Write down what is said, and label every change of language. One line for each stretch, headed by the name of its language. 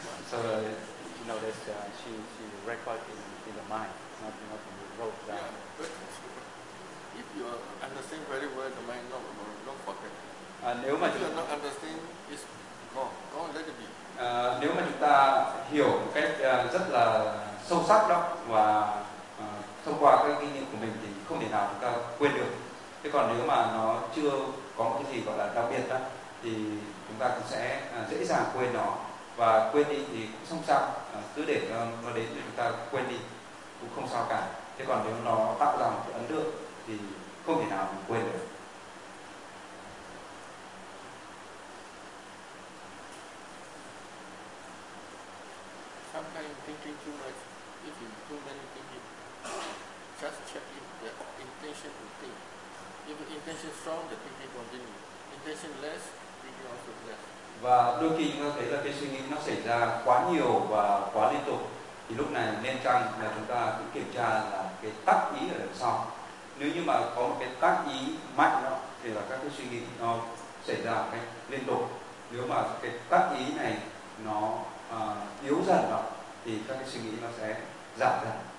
English: So you know that she record in the mind, not in the road. Yeah, but if you understand very well the mind, not forget.
Vietnamese: Nếu mà chúng ta
English: not understand, it's gone, let it be.
Vietnamese: Nếu mà chúng ta hiểu một cách rất là sâu sắc đó và thông qua các kinh nghiệm của mình thì không thể nào chúng ta quên được. Thế còn nếu mà nó chưa có một cái gì gọi là đặc biệt đó thì chúng ta cũng sẽ dễ dàng quên nó. Và quên đi thì cũng không sao, cứ để nó đến thì chúng ta quên đi cũng không sao cả. Thế còn nếu nó tạo ra một cái ấn tượng thì không thể nào mình quên được.
English: Sometimes thinking too much, if you too many thinking, just check if the intention to think. If the intention intention strong, the thinking continue. Intention less, thinking also less.
Vietnamese: Và đôi khi chúng ta thấy là cái suy nghĩ nó xảy ra quá nhiều và quá liên tục, thì lúc này nên chăng là chúng ta cũng kiểm tra là cái tắc ý ở đằng sau. Nếu như mà có một cái tắc ý mạnh đó, thì là các cái suy nghĩ nó xảy ra một cách liên tục. Nếu mà cái tắc ý này nó yếu dần đó, thì các cái suy nghĩ nó sẽ giảm dần.